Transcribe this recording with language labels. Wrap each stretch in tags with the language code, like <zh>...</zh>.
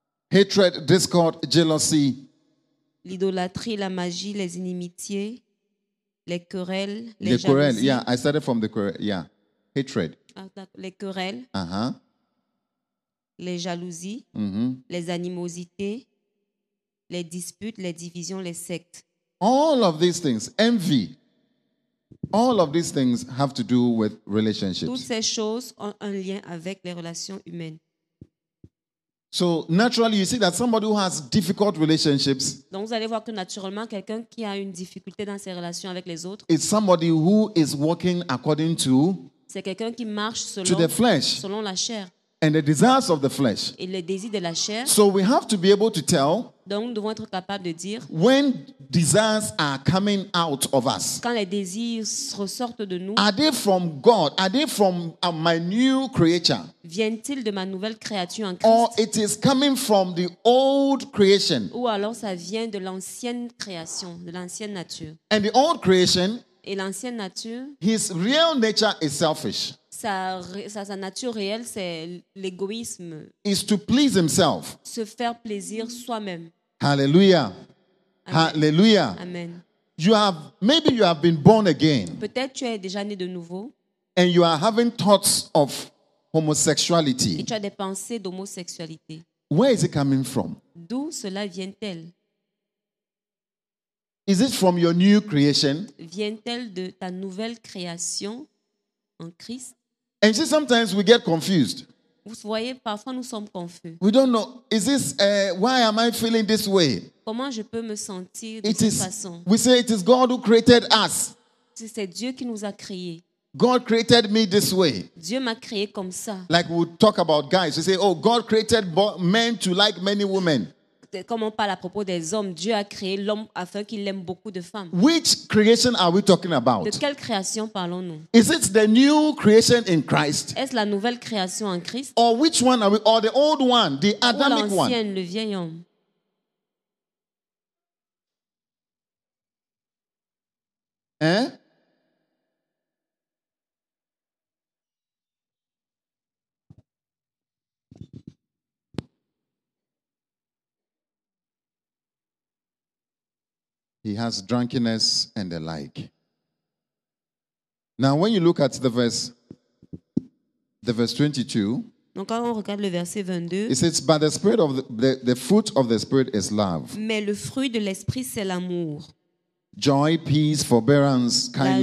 <en>Hatred, discord, jealousy.</en> <fr>L'idolâtrie, la magie, les inimitiés, les querelles, les jalousies.</fr> <en>Querelles, yeah, I started from the querelles, yeah. Hatred.</en> <fr>Les querelles. Uh-huh. Les jalousies. Mm-hmm. Les animosités. Les disputes, les divisions, les sectes.</fr> <en>All of these things, envy. All of these things have to do with relationships.</en> <fr>Toutes ces choses ont un lien avec les relations humaines.</fr> <en>So naturally, you see that somebody who has difficult relationships.</en> <fr>Donc vous allez voir que naturellement, quelqu'un qui a une difficulté dans ses relations avec les autres.</fr> <en>It's somebody who is walking according to.</en> <fr>C'est quelqu'un qui marche selon.</fr> <en>To the flesh.</en> <fr>Selon la chair.</fr> <en>And the desires of the flesh.</en> <fr>Et les désirs de la chair.</fr> <en>So we have to be able to tell.</en> <fr>Donc nous devons être capables de dire.</fr> <en>When desires are coming out of us.</en> <fr>Quand les désirs ressortent de nous.</fr> <en>Are they from God? Are they from my new creature?</en> <fr>Vient-il de ma nouvelle créature en Christ?</fr> <en>Or it is coming from the old creation?</en> <fr>Ou alors ça vient de l'ancienne création, de l'ancienne nature.</fr> <en>And the old creation.</en> <fr>Et l'ancienne nature.</fr> <en>His real nature is selfish.</en> <fr>Sa nature réelle, c'est l'égoïsme.</fr> <en>Is to please himself.</en> <fr>Se faire plaisir soi-même. Hallelujah. Amen. Hallelujah. Amen.</fr> <en>Maybe you have been born again.</en> <fr>Peut-être tu es déjà né de nouveau.</fr> <en>And you are having thoughts of homosexuality.</en> <fr>Et tu as des pensées d'homosexualité.</fr> <en>Where is it coming from?</en> <fr>D'où cela vient-elle?</fr> <en>Is it from your new creation?</en> <fr>Vient-elle de ta nouvelle création en Christ?</fr> <en>And see, sometimes we get confused.</en> <fr>Vous voyez, parfois nous sommes confus.</fr> <en>We don't know. Is this why am I feeling this way?</en> <fr>Comment je peux me sentir de cette façon?</fr> <en>We say it is God who created us.</en> <fr>C'est Dieu qui nous a créés.</fr> <en>God created me this way.</en> <fr>Dieu m'a créé comme ça.</fr> <en>Like we talk about guys, we say, oh, God created men to like many women.</en> <fr>Comment parle à propos des hommes? Dieu a créé l'homme afin qu'il aime beaucoup de femmes.</fr> <en>Which creation are we talking about?</en> <fr>De quelle création parlons-nous?</fr> <en>Is it the new creation in Christ?</en> <fr>Est-ce la nouvelle création en Christ?</fr> <en>Or which one are we? Or the old one, the Adamic</en> <fr>one? Ou l'ancienne, le vieil homme? Hein?</fr> <en>He has drunkenness and the like. Now, when you look at the verse 22,</en> <fr>donc quand on regarde le verset 22,</fr> <en>it says, "But the spirit of the fruit of the spirit is love."</en> <fr>Mais le fruit de l'esprit c'est l'amour.</fr> <en>Joy, peace, forbearance, kindness.</en>